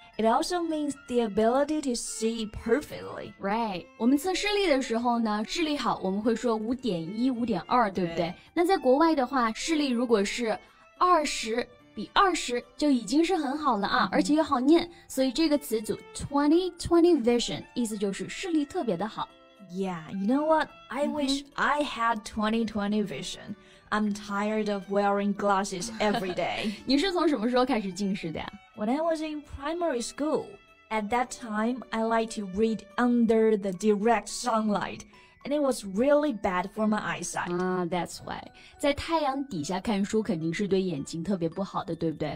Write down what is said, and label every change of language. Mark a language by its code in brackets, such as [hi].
[en] It also means the ability to see perfectly. Right. [zh] 我们测视力的时候呢，视力好，我们会说 5.1, 5.2, 对不 对, 对？那在国外的话，视力如果是20比20就已经是很好了啊，而且又好念，所以这个词组 20/20 vision 意思就是视力特别的好。 [en] Yeah, you know what? I wish I had 20/20 vision. I'm tired of wearing glasses every day. [zh] 你是从什么时候开始近视的？ [en] When I was in primary school. At that time, I liked to read under the direct sunlight. And it was really bad for my eyesight. That's why. [zh] 在太阳底下看书肯定是对眼睛特别不好的，对不 对,